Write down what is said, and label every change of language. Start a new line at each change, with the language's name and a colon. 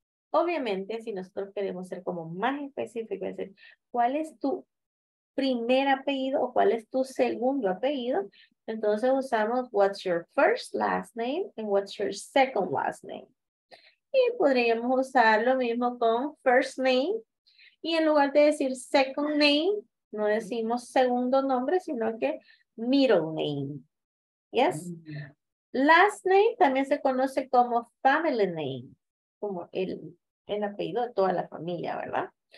Spanish: Obviamente, si nosotros queremos ser como más específicos, es decir, ¿cuál es tu primer apellido o cuál es tu segundo apellido? Entonces usamos
English: what's your first last name and what's your second last name.
Spanish: Y podríamos usar lo mismo con first name. Y en lugar de decir second name, no decimos segundo nombre, sino que middle name. Yes? Last name también se conoce como family name, como el apellido de toda la familia, ¿verdad?